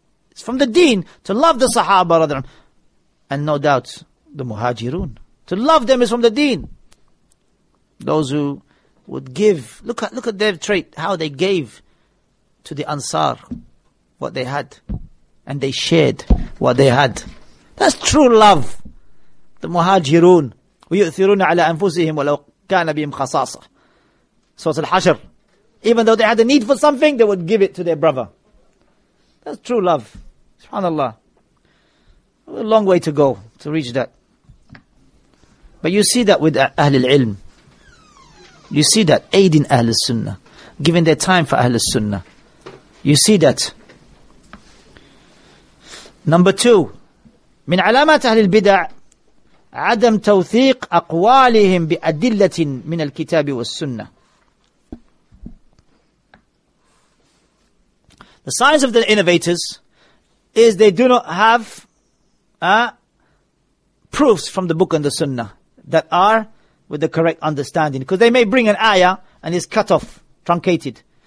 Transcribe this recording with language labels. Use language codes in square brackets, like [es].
[en] It's from the deen to love the Sahaba, brethren. And no doubt, the Muhajirun. To love them is from the deen. Those who would give. Look at their trait. How they gave to the Ansar what they had. And they shared what they had. That's true love. The Muhajirun. [ar] وَيُؤْثِرُونَ عَلَىٰ أَنفُسِهِمْ وَلَوْ كَانَ بِهِمْ خَصَاصَةً Surah Al-Hashr. [en] Even though they had a need for something, they would give it to their brother. That's true love. SubhanAllah. A long way to go to reach that. But you see that with Ahlul Ilm. You see that aiding Ahlul Sunnah. Giving their time for Ahlul Sunnah. You see that. Number two. [ar] من علامات أهل البدع عدم توثيق أقوالهم بأدلة من الكتاب والسنة. [en] The signs of the innovators is they do not have proofs from the book and the sunnah that are with the correct understanding. Because they may bring an ayah and it's cut off, truncated.